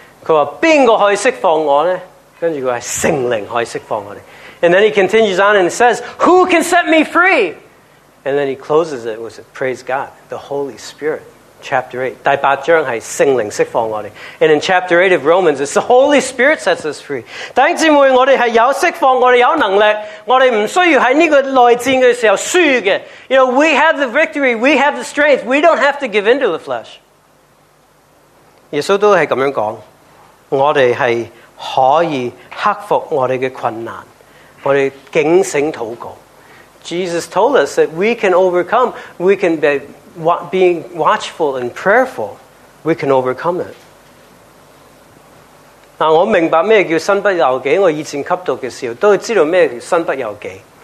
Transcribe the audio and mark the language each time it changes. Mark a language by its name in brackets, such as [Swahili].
[Chinese] 佢话边个可以释放我呢？跟住佢话圣灵可以释放我哋。 [English] And then he continues on and says, "Who can set me free?" And then he closes it with, "Praise God, the Holy Spirit." Chapter 8, 第八章是圣灵释放我们。 And in chapter 8 of Romans, it's the Holy Spirit sets us free. [Chinese] 弟兄姊妹，我们是有释放，我们有能力，我们不需要在这个内战的时候输的。 [English] You know, we have the victory, we have the strength, we don't have to give in to the flesh. [Chinese] 耶稣都是这样讲，我们是可以克服我们的困难，我们警醒祷告。 [English] Jesus told us that we can overcome, we can be being watchful and prayerful, we can overcome it. [Chinese] 我明白什么叫身不由己，我以前吸毒的时候都知道什么叫身不由己。